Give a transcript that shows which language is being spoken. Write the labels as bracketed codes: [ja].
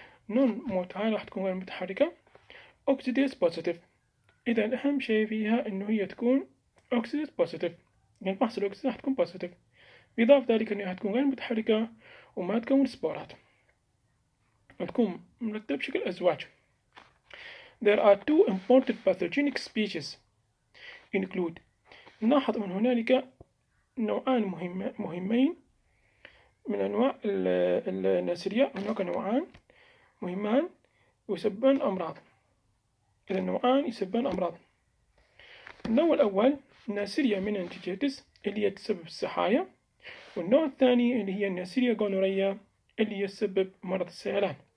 [ar] Non motile، راح تكون غير متحركة. Oxidase positive، إذا أهم شيء فيها إنه هي تكون Oxidase positive، يعني فحص الأكسدة راح تكون positive، بإضافة ذلك إنها تكون غير متحركة وما تكون سبورات، تكون مرتب بشكل أزواج. [en] There are two important pathogenic species include. [ar] نلاحظ أن هنالك نوعان مهمين من أنواع الناسرية، هناك نوعان مهمان يسببان أمراض، إذا النوعان يسببان أمراض. النوع الأول ناسرية من أنتيجيتس اللي هي تسبب السحايا، والنوع الثاني اللي هي الناسرية جونورية اللي يسبب مرض السيلان.